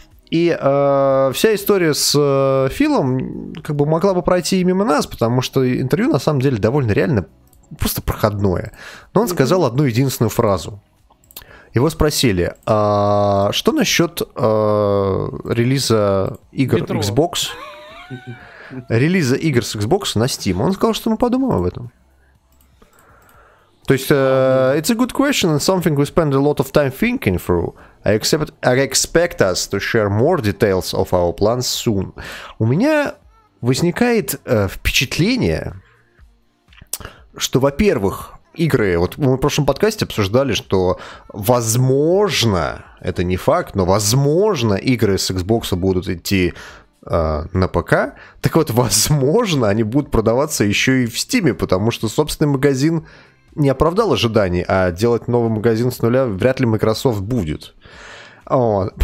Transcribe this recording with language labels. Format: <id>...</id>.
<ru>И вся история с Филом как бы могла бы пройти и мимо нас, потому что интервью на самом деле довольно реально просто проходное. Но он сказал одну единственную фразу. Его спросили, что насчет релиза игр Metro. Xbox? Релиза игр с Xbox на Steam. Он сказал, что мы подумаем об этом. То есть,</ru> <en>it's a good question and something we spend a lot of time thinking through. I expect us to share more details of our plans soon.</en> <ru>У меня возникает впечатление, что, во-первых, игры, вот мы в прошлом подкасте обсуждали, что возможно, это не факт, но возможно, игры с Xbox будут идти на ПК, так вот, возможно, они будут продаваться еще и в Стиме, потому что собственный магазин не оправдал ожиданий, а делать новый магазин с нуля вряд ли Microsoft будет. Вот.</ru>